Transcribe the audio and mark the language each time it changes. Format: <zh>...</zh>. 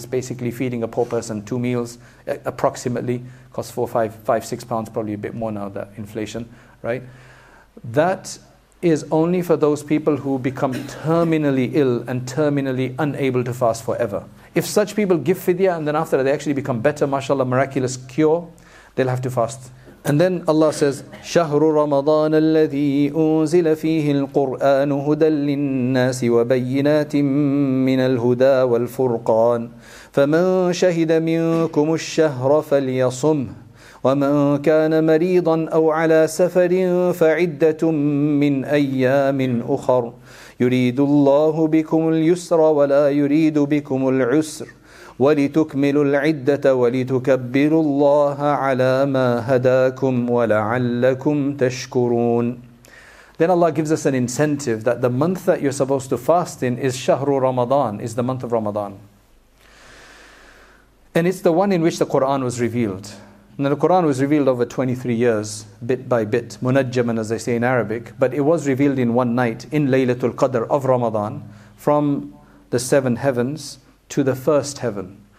<en>It's basically feeding a poor person 2 meals, approximately, costs 4, 5, 6 pounds, probably a bit more now, that inflation, right? That is only for those people who become terminally ill and terminally unable to fast forever. If such people give fidya, and then after that they actually become better, mashallah, miraculous cure, they'll have to fast. And then Allah says,</en> <ar>شَهْرُ رَمَضَانَ الَّذِي أُنزِلَ فِيهِ الْقُرْآنُ هُدًى لِلنَّاسِ وَبَيِّنَاتٍ مِّنَ الْهُدَى وَالْفُرْقَانِ فَمَنْ شَهِدَ مِنْكُمُ الشَّهْرَ فَلْيَصُمْهُ وَمَنْ كَانَ مَرِيضًا أَوْ عَلَى سَفَرٍ فَعِدَّةٌ مِّنْ أَيَّامٍ أُخَرٍ يُرِيدُ اللَّهُ بِكُمُ الْيُسْرَ وَلَا يُرِيدُ بِكُمُ الْعُسْرَ وَلِتُكْمِلُوا الْعِدَّةَ وَلِتُكَبِّرُوا اللَّهَ عَلَىٰ مَا هَدَاكُمْ وَلَعَلَّكُمْ تَشْكُرُونَ</ar> <en>Then Allah gives us an incentive that the month that you're supposed to fast in is Shahru Ramadan, is the month of Ramadan. And it's the one in which the Qur'an was revealed. Now the Qur'an was revealed over 23 years, bit by bit, munajjaman as they say in Arabic, but it was revealed in one night, in Laylatul Qadr of Ramadan, from the seven heavens, to the first heaven.</en>